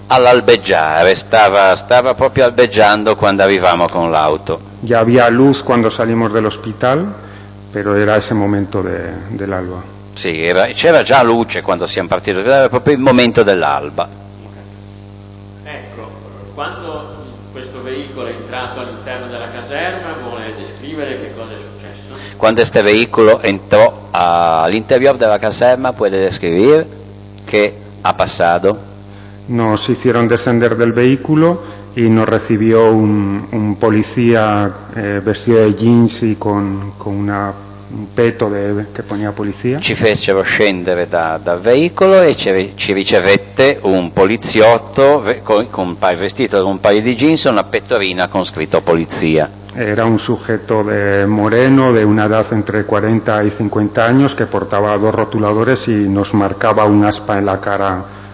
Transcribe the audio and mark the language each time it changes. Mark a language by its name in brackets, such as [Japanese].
[Italian] All'albeggiare, [Spanish] estaba [Italian] proprio albeggiando [Spanish] cuando arrivamos [Italian] con l'auto. [Spanish] Ya había luz cuando salimos del hospital, pero era ese momento del alba. [Italian] Sí, c'era già luce quando siamo partiti, era proprio il momento dell'alba. Ecco, quando questo veicolo è entrato all'interno della caserma, vuole descrivere che cosa è successo? Quando [Spanish] este [Italian] veicolo entrò all'interior della caserma, puoi descrivere che ha passato? [Spanish] Nos hicieron descender del veicolo e nos recibió un polizia [Italian] vestito di jeans e con un peto che [Spanish] ponía polizia. [Italian] Ci fecero scendere dal veicolo e ci ricevette un poliziotto vestito con un paio di jeans e una pettorina con scritto polizia. [Spanish] Era un sujeto de moreno, de una edad entre 40 y 50 años, que portaba dos rotuladores y nos marcaba un aspa en la cara.